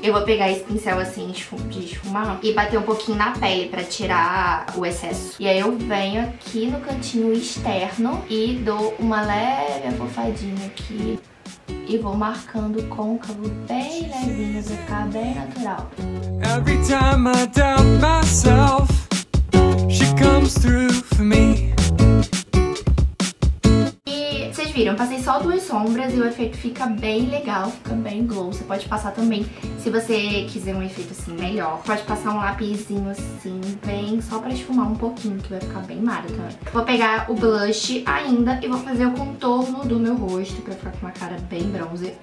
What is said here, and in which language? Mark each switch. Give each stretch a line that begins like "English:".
Portuguese: Eu vou pegar esse pincel assim, de esfumar, e bater um pouquinho na pele pra tirar o excesso. E aí eu venho aqui no cantinho externo e dou uma leve abofadinha aqui. E vou marcando o côncavo bem levinho, pra ficar bem natural.
English: Every time I doubt myself, she comes through for me.
Portuguese: Viram? Passei só duas sombras e o efeito fica bem legal, fica bem glow. Você pode passar também, se você quiser um efeito assim melhor, pode passar um lapisinho assim, bem só pra esfumar um pouquinho, que vai ficar bem mara também. Vou pegar o blush ainda e vou fazer o contorno do meu rosto pra ficar com uma cara bem bronze.